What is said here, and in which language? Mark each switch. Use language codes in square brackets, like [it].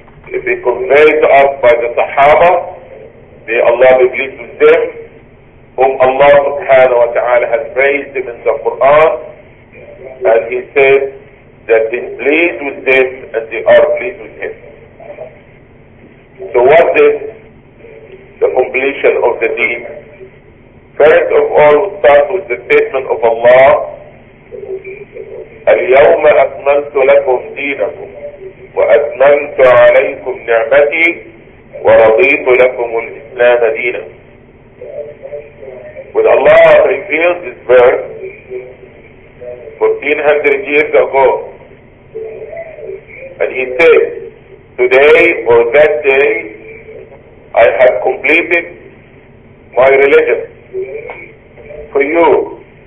[en] If it conveyed to us by the Sahaba, may Allah be pleased with them, whom Allah subhanahu wa ta'ala has praised him in the Quran, and he said that he is pleased with them and they are pleased with him. So what is the completion of the deen? First of all, we start with the statement of Allah, [ar] اليوم أكملت لكم دينكم وأتممت عليكم نعمتي ورضيت لكم الإسلام دينا. [en] When Allah revealed this verse 1400 years ago, and He said, today or that day, I have completed my religion for you.